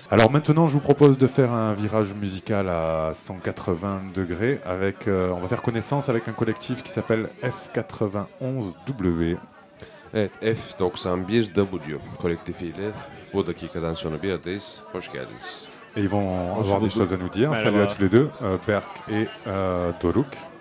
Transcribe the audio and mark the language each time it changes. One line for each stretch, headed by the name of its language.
French: Maintenant, je vous propose de faire un virage musical à 180 degrés. On va faire connaissance avec un collectif qui s'appelle F91W.
Turkish: Evet, F91W kolektifiyle bu dakikadan sonra bir aradayız. Hoş geldiniz.
French: Et ils vont avoir des choses à nous dire. Merhaba. Salut à tous les deux, Berk et Doruk.